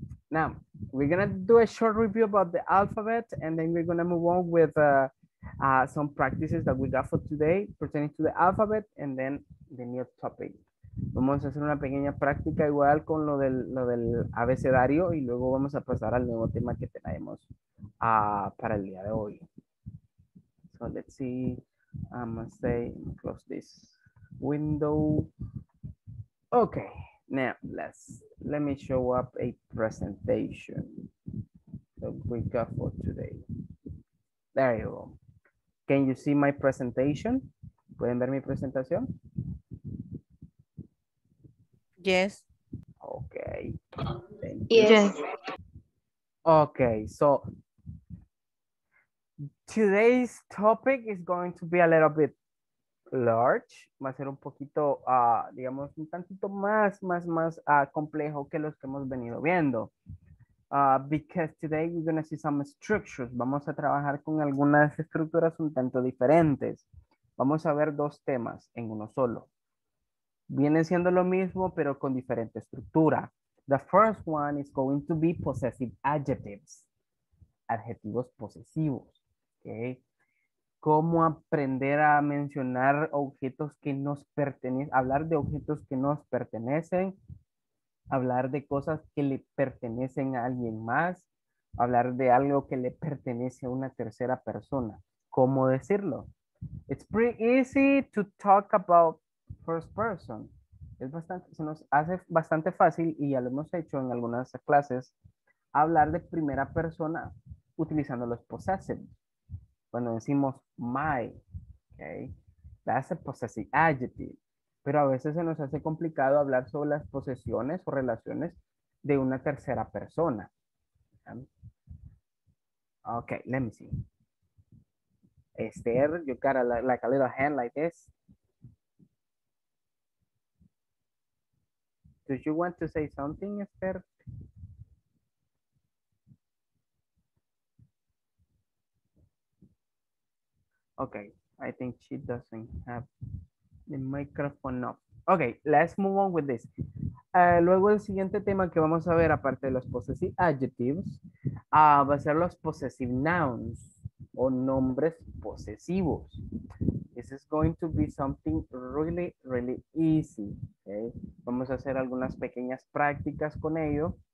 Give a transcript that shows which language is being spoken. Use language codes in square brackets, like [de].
[en] Now we're gonna do a short review about the alphabet, and then we're gonna move on with some practices that we got for today pertaining to the alphabet, and then the new topic. [es] Vamos a hacer una pequeña práctica igual con lo del abecedario, y luego vamos a pasar al nuevo tema que tenemos para el día de hoy. [en] So let's see. I'm gonna say close this window. Okay, now let me show up a presentation that we got for today. There you go. Can you see my presentation? [es] ¿Pueden ver mi presentación? [en] Yes. Okay. Yes. Okay, so today's topic is going to be a little bit large. [es] Va a ser un poquito, digamos, un tantito más complejo que los que hemos venido viendo. [en] Because today you're going to see some structures. [es] Vamos a trabajar con algunas estructuras un tanto diferentes. Vamos a ver dos temas en uno solo. Viene siendo lo mismo, pero con diferente estructura. [en] The first one is going to be possessive adjectives. [es] Adjetivos posesivos. Okay. ¿Cómo aprender a mencionar objetos que nos pertenecen? Hablar de objetos que nos pertenecen. Hablar de cosas que le pertenecen a alguien más. Hablar de algo que le pertenece a una tercera persona. ¿Cómo decirlo? [en] It's pretty easy to talk about first person. [es] Es bastante, se nos hace bastante fácil, y ya lo hemos hecho en algunas clases, hablar de primera persona utilizando los possessive. Cuando decimos [en] my, okay, that's a possessive adjective. [es] Pero a veces se nos hace complicado hablar sobre las posesiones o relaciones de una tercera persona. [en] Okay, let me see. Esther, you got a, like a little hand like this. Do you want to say something, Esther? Okay, I think she doesn't have the microphone up. Okay, let's move on with this. [es] Luego el siguiente tema que vamos a ver, aparte de los possessive adjectives, va a ser los possessive nouns o nombres posesivos. [en] This is going to be something really, really easy. Okay? [es] Vamos a hacer algunas pequeñas prácticas con ello.